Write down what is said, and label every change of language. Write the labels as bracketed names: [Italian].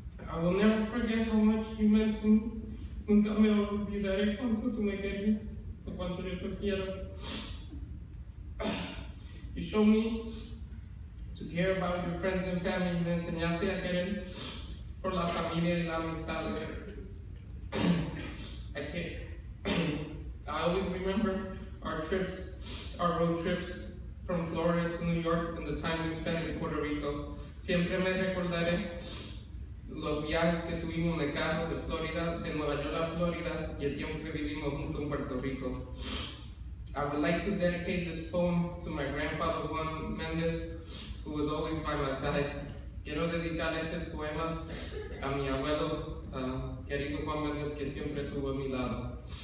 [English] I will never forget how much you meant to me. [Spanish] Nunca me olvidaré cuánto tú me querías, o cuánto yo te quiero. [English] You showed me to care about your friends and family. [Spanish] Me enseñaste a querer por la familia y la amistad. [English] I care. I always remember our road trips from Florida to New York and the time we spent in Puerto Rico. [Spanish] Siempre me recordaré los viajes que tuvimos de carro de Florida, de Nueva York a Florida, y el tiempo que vivimos juntos en Puerto Rico. [English] I would like to dedicate this poem to my grandfather Juan Mendez, who was always by my side. [Spanish] Quiero dedicar este poema a mi abuelo, querido Juan Mendez, que siempre estuvo a mi lado.